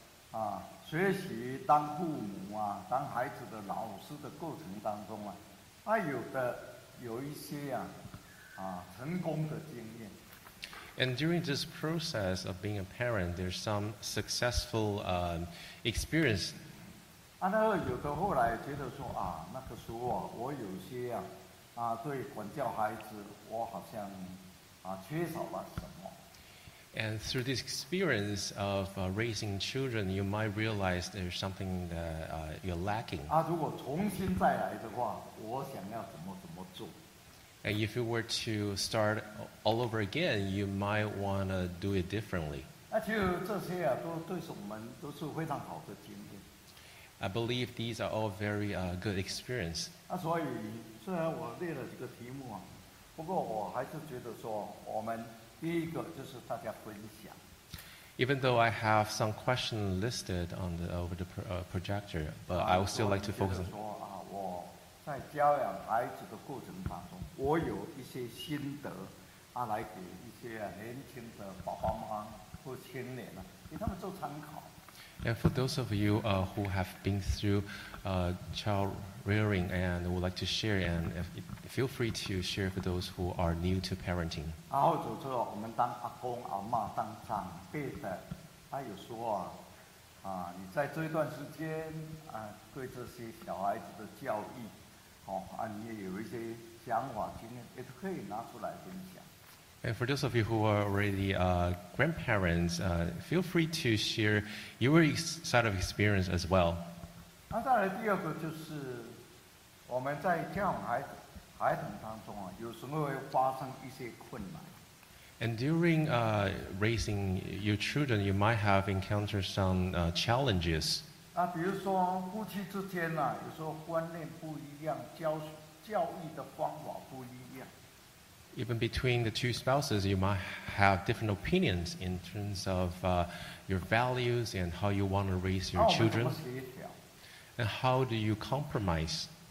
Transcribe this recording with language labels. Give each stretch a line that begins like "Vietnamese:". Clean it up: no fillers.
Chinese: 啊，学习当父母啊，当孩子的老师的过程当中啊，他有一些啊，啊，成功的经验。
English: And during this process of being a parent, there's some successful experience.
Chinese: 啊，那个有的后来觉得说啊，那个时候啊，我有些啊，啊，对管教孩子，我好像啊，缺少了什么。
English: And through this experience of raising children, you might realize there's something that you're lacking.
Chinese: 啊，如果重新再来的话，我想要怎么怎么做。
English: And if you were to start all over again, you might want to do it differently.
Chinese: 啊，其实这些啊，都对我们都是非常好的经验。
English: I believe these are all very good experience.
Chinese: 啊，所以虽然我列了几个题目啊，不过我还是觉得说我们。第一个就是大家分享。
English: Even though I have some questions listed on the over the projector, but I would still like to focus on.
Chinese: 说啊，我在教养孩子的过程当中，我有一些心得啊，来给一些年轻的爸爸妈妈或青年啊，给他们做参考。
English: And for those of you who have been through child rearing and would like to share, and feel free to share for those who are new to parenting.
Chinese: 然后就是我们当阿公阿嬷当长辈的，他有说啊，啊，你在这段时间啊，对这些小孩子的教育，哦啊，你也有一些想法经验，也可以拿出来分享。
English: And for those of you who are already grandparents, feel free to share your side of experience as well.
Chinese: 那再来第二个就是我们在教养孩子当中啊，有时候会发生一些困难。
English: And during raising your children, you might have encountered some challenges.
Chinese: 啊，比如说夫妻之间呐，有时候观念不一样，教育的方法不一样。
English: Even between the two spouses, you might have different opinions in terms of your values and how you want to raise your children. And how do you compromise?